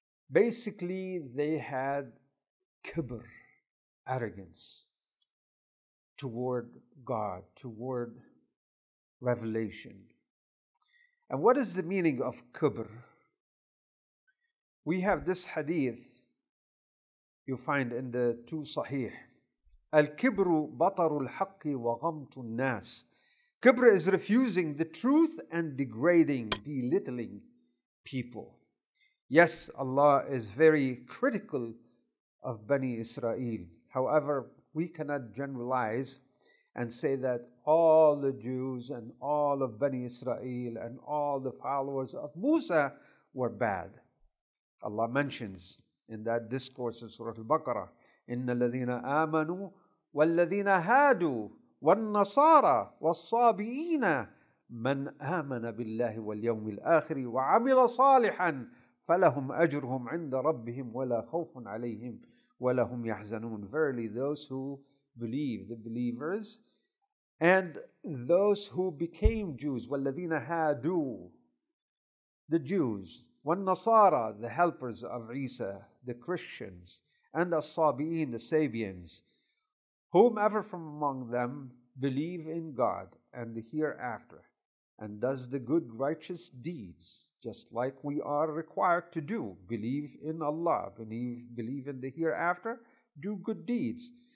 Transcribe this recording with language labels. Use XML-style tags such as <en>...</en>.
<en>Basically, they had kibr, arrogance toward God, toward revelation. And what is the meaning of kibr? We have this hadith you find in the two sahih.</en> <ar>الكبر بطر الحق وغمط الناس.</ar> <en>Kibr is refusing the truth and degrading, belittling people. Yes, Allah is very critical of Bani Israel. However, we cannot generalize and say that all the Jews and all of Bani Israel and all the followers of Musa were bad.</en> <ar>Allah mentions in that discourse in Surah Al-Baqarah, إِنَّ الَّذِينَ آمَنُوا والذين هادوا والنصارى والصابئين من آمن بالله واليوم الآخر وعمل صالحا فلهم أجرهم عند ربهم ولا خوف عليهم ولا هم يحزنون.</ar> <en>Verily those who believe, the believers, And those who became Jews,</en> <ar>وَالَّذِينَ هَادُوا,</ar> <en>the Jews, وَالنَّصَارَى, the helpers of Isa, the Christians, and الصَّابِئِينَ, the Sabians, whomever from among them believe in God and the hereafter, and does the good righteous deeds, just like we are required to do, believe in Allah, believe in the hereafter, do good deeds.</en>